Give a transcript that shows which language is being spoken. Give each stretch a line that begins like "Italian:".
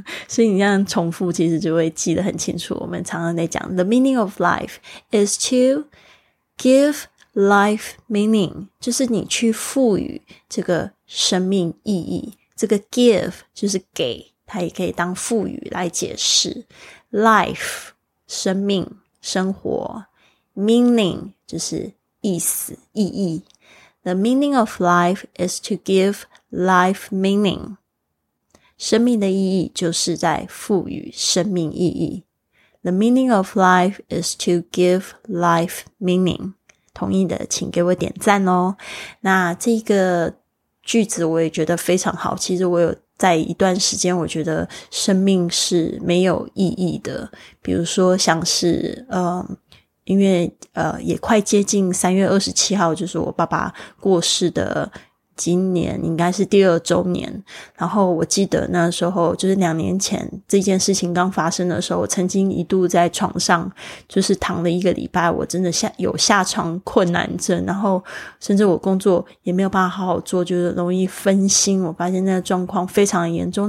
Chinese: 所以你这样重复其实就会记得很清楚。我们常常在讲
English: The meaning of life is to give life meaning,
Chinese: 就是你去赋予这个生命意义。这个 give 就是给，它也可以当赋予来解释。 life 生命生活， meaning 就是意思意义。
English: The meaning of life is to give life meaning,
Chinese: 生命的意义就是在赋予生命意义。
English: The meaning of life is to give life meaning。
Chinese: 同意的请给我点赞哦。那这个句子我也觉得非常好，其实我有在一段时间我觉得生命是没有意义的。比如说像是因为也快接近3月27号就是我爸爸过世的今年应该是第二周年，然后我记得那时候就是两年前这件事情刚发生的时候，我曾经一度在床上就是躺了一个礼拜，我真的有下床困难症，然后甚至我工作也没有办法好好做，就是容易分心，我发现那个状况非常严重。